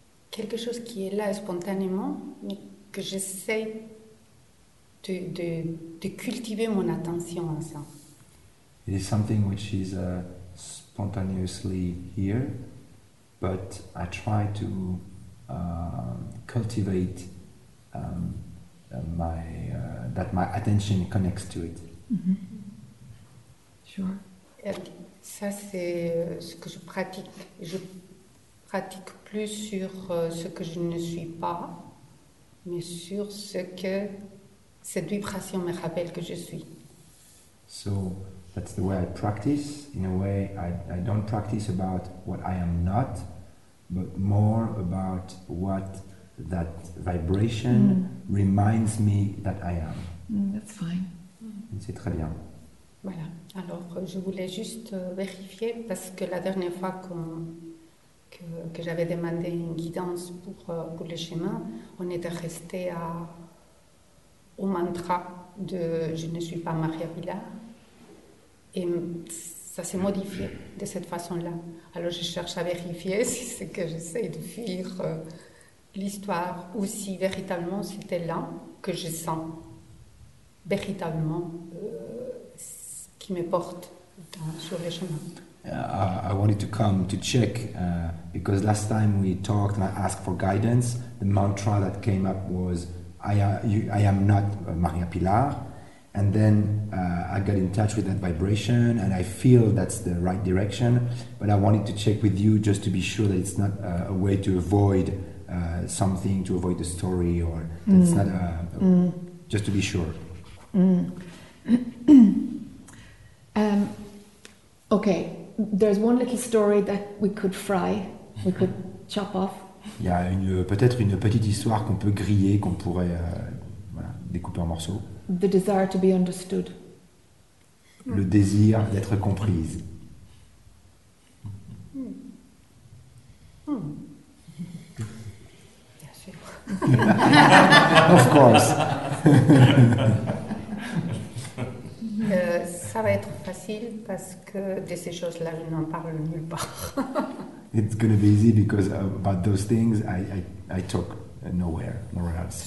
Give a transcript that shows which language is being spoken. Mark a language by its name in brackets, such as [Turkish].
[French] quelque chose qui est là spontanément, mais que j'essaie de cultiver mon attention à ça. [English] It is something which is spontaneously here, but I try to cultivate that my attention connects to it. Mm-hmm. Sure. [French] Et ça, c'est ce que je pratique. Je pratique plus sur ce que je ne suis pas, mais sur ce que cette vibration me rappelle que je suis. [English] So that's the way I practice. In a way, I don't practice about what I am not, but more about what that vibration reminds me that I am. That's fine. [French] C'est très bien. Voilà. Alors, je voulais juste vérifier parce que la dernière fois que j'avais demandé une guidance pour le chemin, on était resté au mantra de « Je ne suis pas Maria Villar ». Et ça s'est modifié de cette façon-là. Alors je cherche à vérifier si ce que j'essaie de fuir l'histoire ou si véritablement c'était là que je sens véritablement ce qui me porte sur le chemin. [English] I wanted to come to check because last time we talked and I asked for guidance, the mantra that came up was I am not Maria Pilar, and then I got in touch with that vibration and I feel that's the right direction, but I wanted to check with you just to be sure that it's not a way to avoid something, to avoid the story, or that it's not just to be sure. Okay. There's one little story that we could fry, we could chop off. [French] Il y a peut-être une petite histoire qu'on peut griller, qu'on pourrait voilà, découper en morceaux. [English] The desire to be understood. [French] Le désir d'être comprise. Bien sûr. [English] Of course. [French] Ça va être facile parce que de ces choses-là, je n'en parle nulle part. [English] It's going to be easy because about those things, I talk nowhere else.